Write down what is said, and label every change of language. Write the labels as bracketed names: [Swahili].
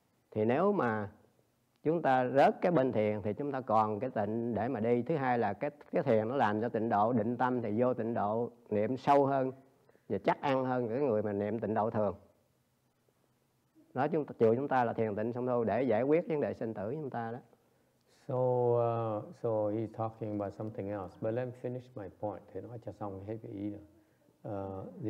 [Vietnamese] Thì nếu mà chúng ta rớt cái bên thiền thì chúng ta còn cái tịnh để mà đi. Thứ hai là cái thiền nó làm cho tịnh độ, định tâm thì vô tịnh độ niệm sâu hơn và chắc ăn hơn cái người mà niệm tịnh độ thường. Nói chung chùa chúng ta là thiền tịnh xong thôi, để giải quyết vấn đề sinh tử chúng ta đó. [English] So he's talking about something else, but let me finish my point. [Vietnamese] Thế nói cho xong hết cái ý rồi.